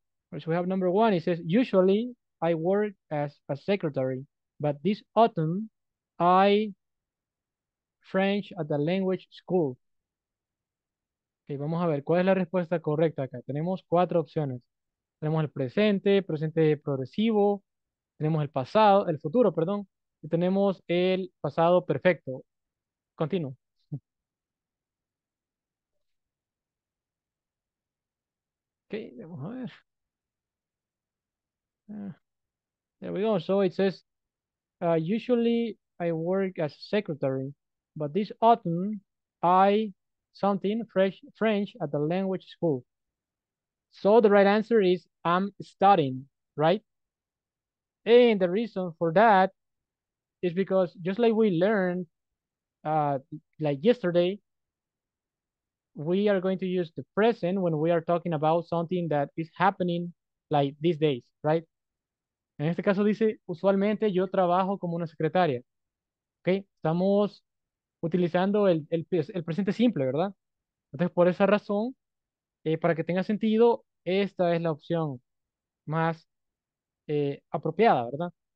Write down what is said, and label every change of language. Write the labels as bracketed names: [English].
[English] First we have number 1. It says, usually I work as a secretary, but this autumn I French at the language school. [Spanish] Okay, vamos a ver cuál es la respuesta correcta acá. Tenemos 4 opciones. Tenemos el presente progresivo, tenemos el pasado, el futuro, perdón, Y tenemos el pasado perfecto. Continuo. Ok, vamos a ver. [English] There we go. So it says, usually I work as a secretary, but this autumn I something fresh French at the language school. So the right answer is I'm studying, right? And the reason for that is because just like we learned like yesterday, we are going to use the present when we are talking about something that is happening like these days, right? [Spanish] En este caso dice, usualmente yo trabajo como una secretaria. Ok, estamos utilizando el presente simple, ¿verdad? Entonces, por esa razón, para que tenga sentido, esta es la opción más apropiada, ¿verdad?